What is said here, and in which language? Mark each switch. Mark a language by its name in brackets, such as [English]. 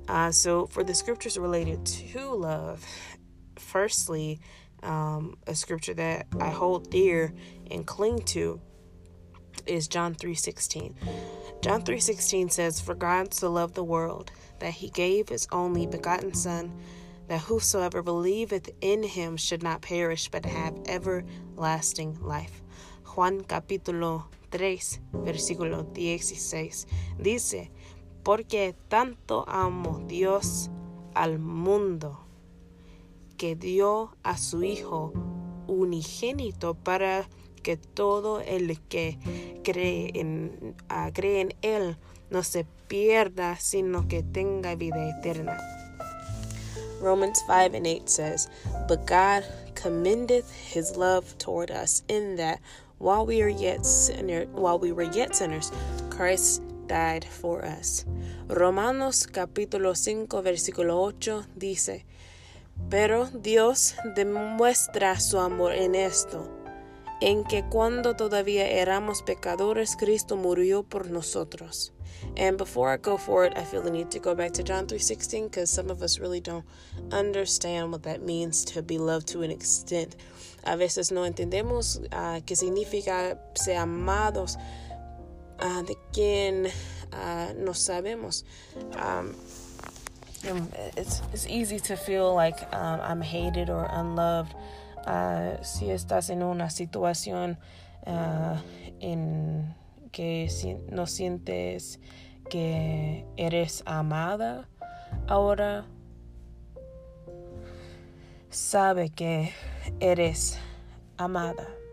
[English] So for the scriptures related to love, firstly, a scripture that I hold dear and cling to is John 3:16. John 3:16 says, for God so loved the world that he gave his only begotten son, that whosoever believeth in him should not perish but have everlasting life. [Spanish] Juan capítulo 3 versículo 16 dice, porque tanto amó Dios al mundo que dio a su hijo unigénito para que todo el que cree en él no se pierda, sino que tenga vida eterna. [English] Romans 5:8 says, but God commendeth his love toward us in that while we were yet sinners, Christ died for us. [Spanish] Romanos capítulo 5 versículo 8 dice, pero Dios demuestra su amor en esto, en que cuando todavía éramos pecadores, Cristo murió por nosotros. [English] And before I go forward, I feel the need to go back to John 3:16, because some of us really don't understand what that means, to be loved to an extent. [Spanish] A veces no entendemos qué significa ser amados, de quien no sabemos. [English] It's easy to feel like I'm hated or unloved. [Spanish] Si estás en una situación en que no sientes que eres amada, ahora sabe que eres amada.